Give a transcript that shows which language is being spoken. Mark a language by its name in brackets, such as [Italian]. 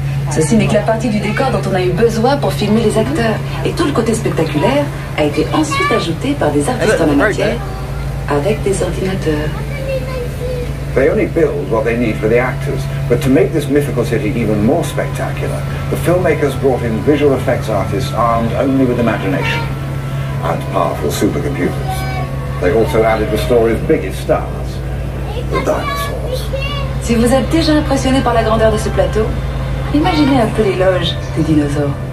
[French] Ceci n'est que la partie du décor dont on a eu besoin pour filmer les acteurs. Et tout le côté spectaculaire a été ensuite ajouté par des artistes en la matière avec des ordinateurs. [English] They only build what they need for the actors. But to make this mythical city even more spectacular, the filmmakers brought in visual effects artists armed only with imagination and powerful supercomputers. They also added the story's biggest stars, the dinosaurs. [French] Si vous êtes déjà impressionné par la grandeur de ce plateau, imaginez un peu les loges des dinosaures.